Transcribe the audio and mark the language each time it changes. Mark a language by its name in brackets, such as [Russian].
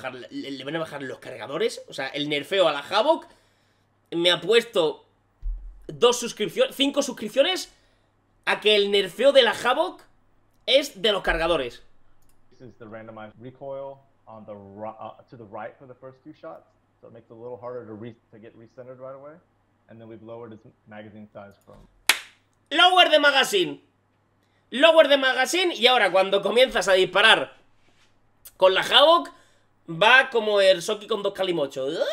[Spanish] ¿Le van a bajar los cargadores? O sea, el nerfeo a la Havoc me ha puesto 5 suscripciones a que el nerfeo de la Havoc es de los cargadores. [English] This is the randomized recoil on the to the right for the first few shots. So it makes it a little harder to get recentered right away. And then we've lowered its magazine size from... Lower the magazine. Lower the magazine. [Spanish] Y ahora cuando comienzas a disparar con la Havoc, va como el Soki con dos Kalimocho.